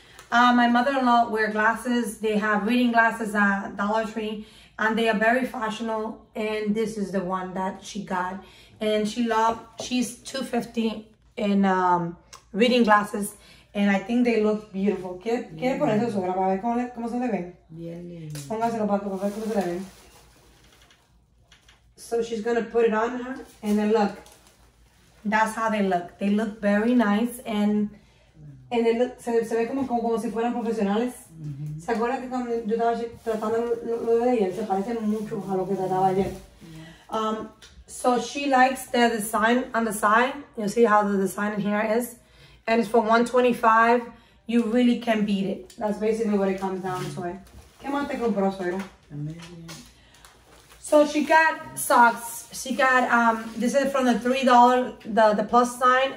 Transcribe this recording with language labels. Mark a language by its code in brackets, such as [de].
[en] My mother-in-law wear glasses. They have reading glasses at Dollar Tree, and they are very fashionable, and this is the one that she got. And she's 250 in reading glasses, and I think they look beautiful. [es] ¿Quiere poner eso, suegra, para ver cómo se le ven? Bien, póngaselo para ver cómo se le ven. [en] So she's gonna put it on her, and then look. That's how they look. They look very nice, and they look, [es] se ve como si fueran profesionales. ¿Se acuerda que cuando yo estaba tratando lo de ayer? Se parece mucho a lo que trataba ayer. [en] So she likes the design on the side. You see how the design in here is? And it's for $125. You really can beat it. That's basically what it comes down to. [es] ¿Qué más te compró, suegra? [en] So she got socks. She got, this is from the $3, the plus sign.